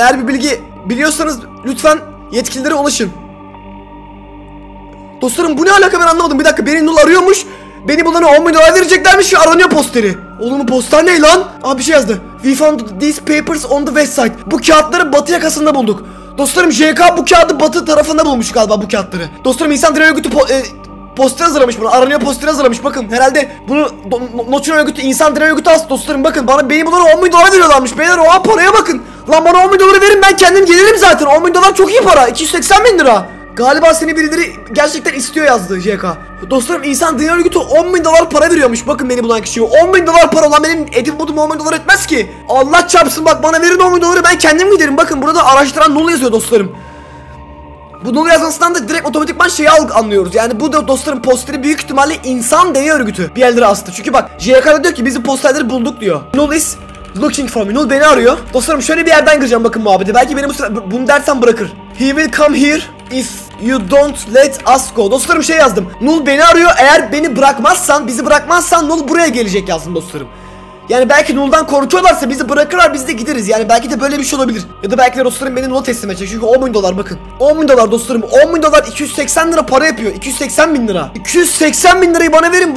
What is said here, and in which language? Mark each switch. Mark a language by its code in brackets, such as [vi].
[tr] Eğer bir bilgi biliyorsanız lütfen yetkililere ulaşın. Dostlarım bu ne alaka, ben anlamadım. Bir dakika, beni null arıyormuş. Beni bunlara 10 milyon vereceklermiş ki aranıyor posteri. Oğlum bu poster ne lan? Abi bir şey yazdı. [en] We found these papers on the west side. [tr] Bu kağıtları batı yakasında bulduk. Dostlarım JK bu kağıdı batı tarafında bulmuş galiba bu kağıtları. Dostlarım insan direği örgütü poster hazırlamış bunu. Aranıyor poster hazırlamış. Bakın herhalde bunu Notion örgütü, insan direği örgütü az. Dostlarım bakın bana beni bunlara 10 milyon veriyorlarmış. Beyler o paraya bakın. Lan bana 10 milyon verin ben kendim gelirim zaten. 10 milyon çok iyi para. 280 bin lira. Galiba seni birileri gerçekten istiyor yazdı JK. Dostlarım insan dünya örgütü 10 bin dolar para veriyormuş. Bakın beni bulan kişiye 10 bin dolar para olan benim edip budum 10 bin dolar etmez ki. Allah çarpsın bak bana verin 10 bin doları ben kendim giderim. Bakın burada araştıran Null yazıyor dostlarım. Bu Null yazmasından da direkt otomatikman şeyi anlıyoruz. Yani bu da dostlarım posteri büyük ihtimalle insan dünya örgütü bir yerlere astı. Çünkü bak JK da diyor ki biz bu posterleri bulduk diyor. [en] Null is looking for me. [tr] Null beni arıyor. Dostlarım şöyle bir yerden gireceğim bakın muhabbeti. Belki beni bu sıra bunu dersen bırakır. [en] He will come here if you don't let us go. [tr] Dostlarım şey yazdım. Null beni arıyor. Eğer beni bırakmazsan, bizi bırakmazsan Null buraya gelecek yazdım dostlarım. Yani belki Null'dan korkuyorlarsa bizi bırakırlar biz de gideriz. Yani belki de böyle bir şey olabilir. Ya da belki de dostlarım beni Null'a teslim edecek. Çünkü 10 bin dolar bakın. 10 bin dolar dostlarım. 10 bin dolar 280 lira para yapıyor. 280 bin lira. 280 bin lirayı bana verin.